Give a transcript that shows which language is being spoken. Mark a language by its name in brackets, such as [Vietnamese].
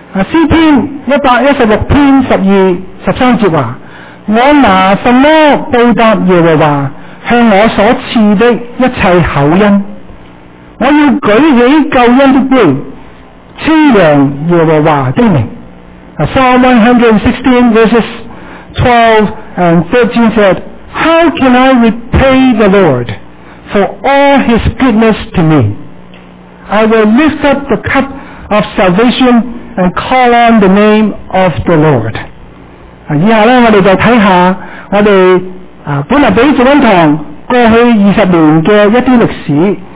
[Chinese] 詩篇116篇12-13節話，我拿什麼報答耶和華向我所賜的一切厚恩，我要舉起救恩的杯稱揚耶和華的名。 [English] Psalm 116 verses 12 and 13 said, How can I repay the Lord for all his goodness to me? I will lift up the cup of salvation and call on the name of the Lord. [Chinese] 以下呢我们就看下我们本来比做恩堂过去二十年的一些历史。